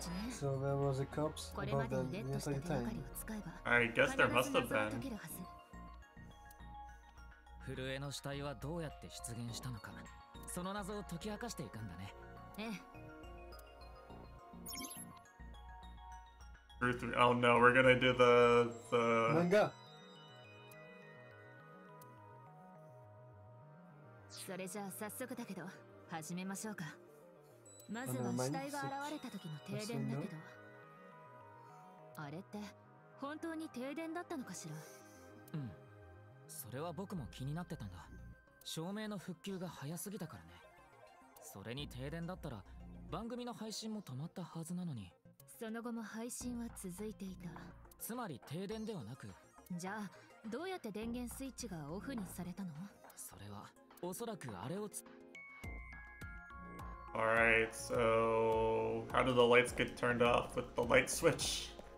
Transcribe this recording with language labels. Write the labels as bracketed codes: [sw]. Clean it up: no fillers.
[en] So there was a corpse about that yesterday time. I guess there must have been. [ja] フルエの死体はどうやって出現したのか、その謎を解き明かしていくんだね。 [en] Oh no, we're gonna do the manga. [ja] それじゃあ早速だけど始めましょうか。まずは死体が現れた時の停電だけど、あれって本当に停電だったのかしら。うん、それは僕も気になってたんだ。照明の復旧が早すぎたからね。それに停電だったら番組の配信も止まったはずなのに。その後も配信は続いていた。つまり停電ではなく。じゃあどうやって電源スイッチがオフにされたの。それはおそらくあれをつ。 [en] Alright, so how do the lights get turned off with the light switch?